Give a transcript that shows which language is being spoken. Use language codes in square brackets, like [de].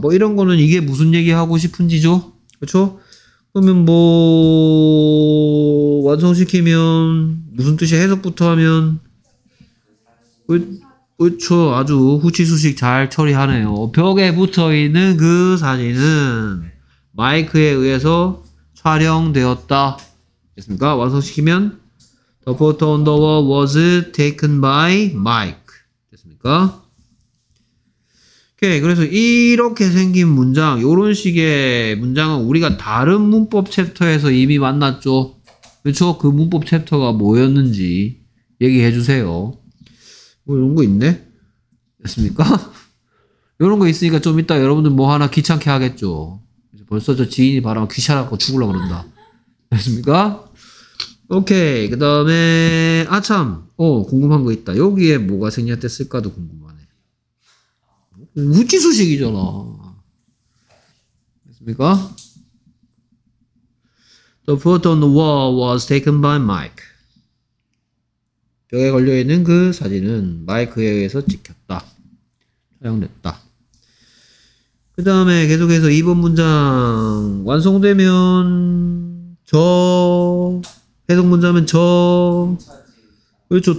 [ko] 뭐 이런 거는 이게 무슨 얘기 하고 싶은지죠? 그렇죠? 그러면 뭐 완성시키면 무슨 뜻이 해석부터 하면 그렇죠. 아주 후치수식 잘 처리하네요. 벽에 붙어있는 그 사진은 마이크에 의해서 촬영되었다. 됐습니까? [en] 완성시키면 The photo on the wall was taken by Mike. [ko] 오케이. 그래서 이렇게 생긴 문장 요런 식의 문장은 우리가 다른 문법 챕터에서 이미 만났죠. 그쵸? 그 문법 챕터가 뭐였는지 얘기해 주세요. 뭐 이런 거 있네? 됐습니까? 이런 거 있으니까 좀 이따 여러분들 뭐 하나 귀찮게 하겠죠. 벌써 저 지인이 바라면 귀찮아서 죽으려고 그런다. 됐습니까? 오케이. 그 다음에, 아, 참. 궁금한 거 있다. 여기에 뭐가 생략됐을까도 궁금하네. 우찌수식이잖아. 됐습니까? [en] The photo on the wall was taken by Mike. [ko] 벽에 걸려있는 그 사진은 마이크에 의해서 찍혔다. 촬영됐다. 그 다음에 계속해서 2번 문장 완성되면 저 해석 문장은 저 그렇죠.